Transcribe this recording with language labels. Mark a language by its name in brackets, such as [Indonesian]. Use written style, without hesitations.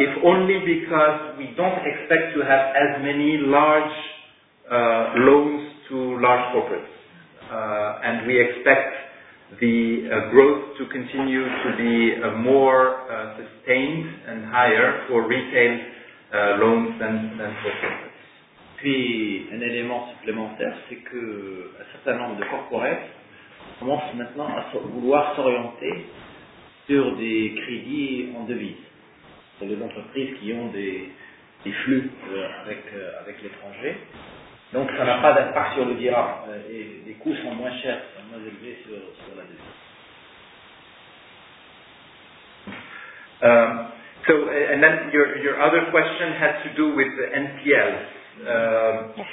[English] If only because we don't expect to have as many large loans to large corporates. And we expect the growth to continue to be more sustained and higher for retail loans than for corporates. [French] Puis, un élément supplémentaire, c'est que un certain nombre de corporates commencent maintenant à vouloir s'orienter sur des crédits en devise. C'est les entreprises qui ont des flux avec l'étranger. Donc, ça n'a pas d'impact sur le dira. Et les coûts sont moins chers, sont moins élevés sur la devise. [English] So, and then your other question had to do with the NPL.